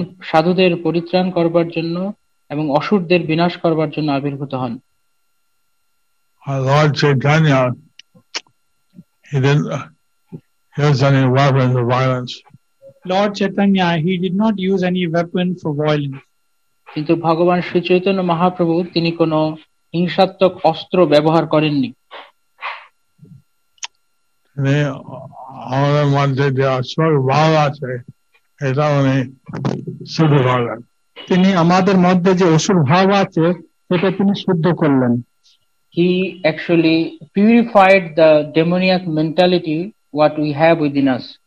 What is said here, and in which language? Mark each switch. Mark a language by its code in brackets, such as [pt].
[bn] সাধুদের পরিত্রাণ করবার জন্য এবং অসুরদের বিনাশ করবার জন্য আবির্ভূত হন। [en] Lord Chaitanya, he didn't use any weapon for violence. Lord Chaitanya, he did not use any weapon for violence. [bn] কিন্তু ভগবান শ্রী চৈতন্য মহাপ্রভু তিনি কোনো হিংসাত্মক অস্ত্র ব্যবহার করেননি। তিনি আমাদের মধ্যে যে অস্ত্র ভাব আছে এটা উনি শুদ্ধ করলেন। তিনি আমাদের মধ্যে যে অসুর ভাব আছে সেটা তিনি শুদ্ধ করলেন। [en] He actually purified the demoniac mentality what we have within us.